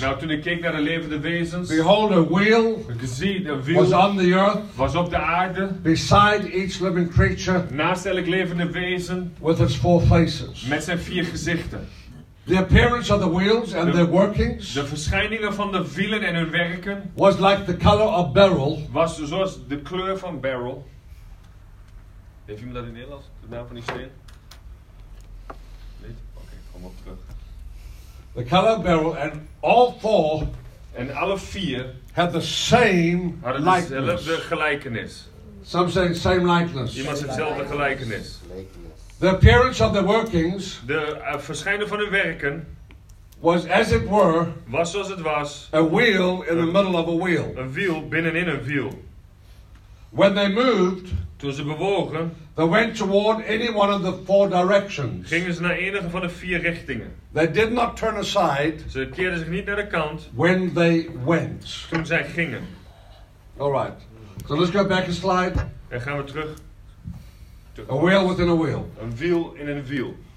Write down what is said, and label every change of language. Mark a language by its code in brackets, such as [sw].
[nl] Now toen ik keek naar de levende wezens. [en] Behold a wheel. [nl] Gezien een wiel. [en] Was on the earth. [nl] Was op de aarde. [en] Beside each living creature. [nl] Naast elk levende wezen. [en] With its four faces. [nl] Met zijn vier gezichten. [en] The appearance of the wheels and their workings. [nl] De verschijningen van de wielen en hun werken. [en] Was like the color of beryl. [nl] Was zoals de kleur van beryl. Heeft iemand dat in Nederlands? De naam van die steen? Niet? Oké, kom op terug. [en] The color of beryl and all four. [nl] En alle vier. [en] Had the same likeness. [nl] Hadden dezelfde gelijkenis. [en] Some say same likeness. [nl] Iemand zegt dezelfde gelijkenis. [en] The appearance of the workings. [nl] De verschijnen van hun werken. [en] Was as it were. [nl] Was zoals het was. [en] A wheel in the middle of a wheel. [nl] Een wiel binnenin een wiel. [en] When they moved. [nl] Toen ze bewogen. [en] They went toward any one of the four directions. [nl] Gingen ze naar enige van de vier richtingen. [en] They did not turn aside. [nl] Ze keerden zich niet naar de kant. [en] When they went. [nl] Toen zij gingen. [en] All right. So let's go back a slide. [nl] En gaan we terug. [en] A wheel within a wheel. [nl] Een wiel in een wiel.